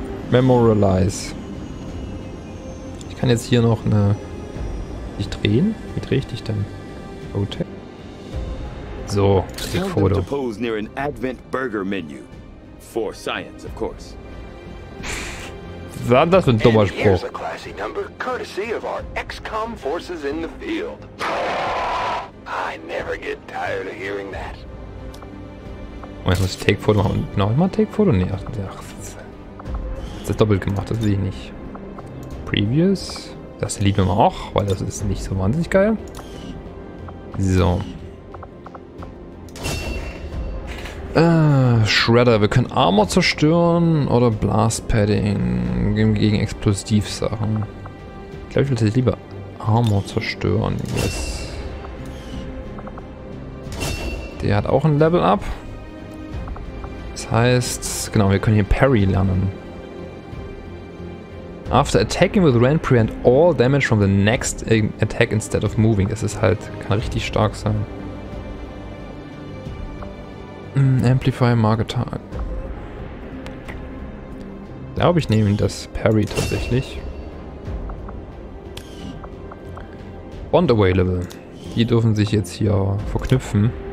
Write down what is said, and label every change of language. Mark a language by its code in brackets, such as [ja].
[de] Memorialize. Ich kann jetzt hier noch eine. Dich drehen? Wie drehe ich dich denn? Okay. So, ein Foto. [en] Pose near an Advent Burger Menu. For science, of course. [de] Was ist das für ein dummer Spruch? [en] Here's a classy number, courtesy of our XCOM forces in the field. I never get tired of hearing that. [de] Moment, muss ich Take-Foto machen? Noch einmal Take-Foto? Nee, ach, ach. Das ist doppelt gemacht, das sehe ich nicht. Previous. Das lieben wir auch, weil das ist nicht so wahnsinnig geil. So. Shredder, wir können Armor zerstören oder Blast Padding gegen Explosivsachen. Ich glaube, ich würde lieber Armor zerstören. Yes. Der hat auch ein Level Up. Das heißt, genau, wir können hier Parry lernen. [en] After attacking with Rand, prevent all damage from the next attack instead of moving. [de] Das ist halt, kann richtig stark sein. [en] Amplifier Marketing. [de] Glaube ich, nehme das Parry tatsächlich. Bond available. Die dürfen sich jetzt hier verknüpfen.